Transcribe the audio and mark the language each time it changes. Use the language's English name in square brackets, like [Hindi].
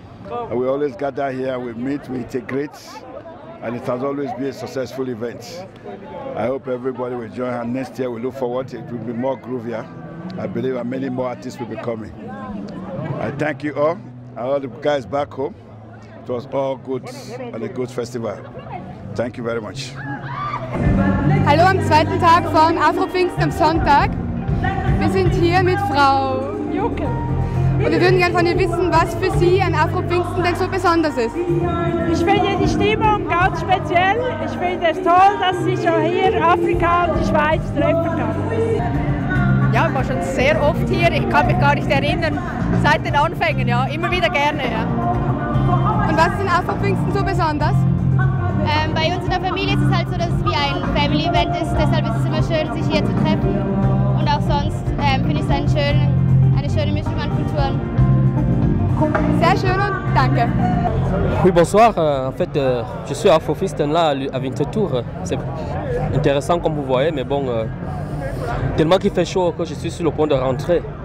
[English] And we always gather here, we meet, we integrate, and it has always been a successful event. I hope everybody will join us next year. We look forward to it. It will be more groovier. I believe many more artists will be coming. I thank you all, and all the guys back home. It was all good and a good festival. Thank you very much. [German] Hallo am zweiten Tag von Afropinkston am Sonntag. Wir sind hier mit Frau Juke. Und wir würden gerne von ihr wissen, was für Sie an Afropinkston denn so besonders ist. Ich finde die Stimmung ganz speziell. Ich finde es toll, dass sie schon hier Afrika und die Schweiz treffen kann. Ja, ich war schon sehr oft hier. Ich kann mich gar nicht erinnern. Seit den Anfängen, ja. Immer wieder gerne, ja. Und was ist in Afropinkston so besonders? Bei uns in der Familie ist es halt so, dass es wie ein Family-Event ist. Deshalb ist es immer schön, sich hier zu treffen. Und auch sonst finde ich es eine schöne Mischung an Kulturen. Sehr schön und danke. [French] Oui, bonsoir. En fait, je suis Afropinkston là à Winterthur. C'est intéressant comme vous voyez, mais bon... tellement qu'il fait chaud que je suis sur le point de rentrer.